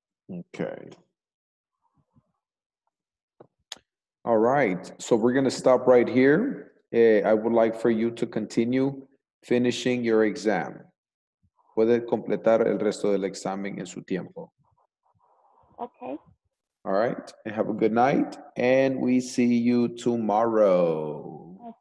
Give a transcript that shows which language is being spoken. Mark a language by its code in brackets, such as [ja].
[en] Okay. All right. So we're going to stop right here. I would like for you to continue finishing your exam. [es] Puede completar el resto del examen en su tiempo. [en] Okay. All right, and have a good night, and we see you tomorrow.